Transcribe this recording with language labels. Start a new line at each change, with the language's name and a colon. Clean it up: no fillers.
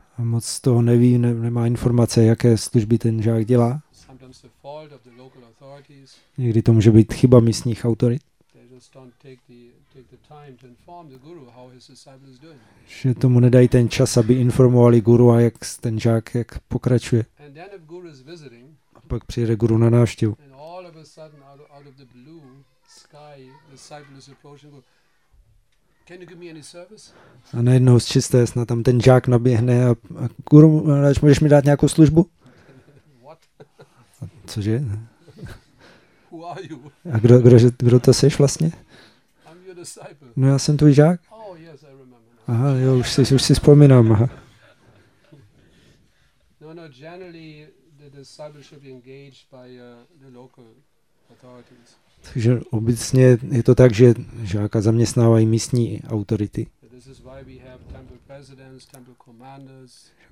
Czech: A moc z toho neví, nemá informace, jaké služby ten žák dělá.
English: Sometimes the fault of the local authorities.
Czech: Někdy to může být chyba místních autorit.
English: They just don't take the time to inform the guru how his disciple is doing.
Czech: Že tomu nedají ten čas, aby informovali guru, a jak ten žák jak pokračuje.
English: And then if guru is visiting,
Czech: a pak přijede guru na návštěvu.
English: And all of a sudden out of the blue sky disciple is approaching guru. Can you give me any service?
Czech: A najednou z čisté snad tam ten žák naběhne a guru, můžeš mi dát nějakou službu? Cože?
English: Who are you?
Czech: A kdo to seš vlastně?
English: I'm your disciple.
Czech: No, já jsem tvůj žák.
English: Oh, yes, I remember.
Czech: Aha, jo, už si vzpomínám. Aha.
English: No, generally the disciple should be engaged by the local authorities.
Czech: Takže obecně je to tak, že žáka zaměstnávají místní autority.
English: This is why we have temple presidents, temple commanders.